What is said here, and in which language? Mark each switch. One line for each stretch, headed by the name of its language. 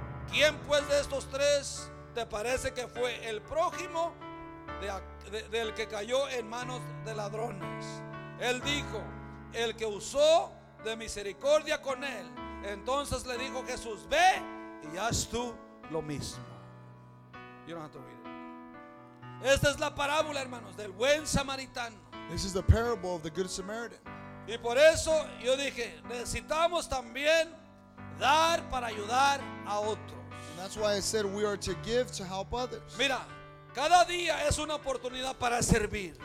Spanish: ¿Quién pues de estos 3 te parece que fue el prójimo del que cayó en manos de ladrones? Él dijo: el que usó de misericordia con él. Entonces le dijo Jesús: ve y haz tú lo mismo.
English: You don't have to read it.
Spanish: Esta es la parábola, hermanos, del buen samaritano.
English: This is the parable of the good Samaritan.
Spanish: Y por eso yo dije, necesitamos también dar para ayudar a otros.
English: And that's why I said we are to give to help others.
Spanish: Mira, cada día es una oportunidad para servir.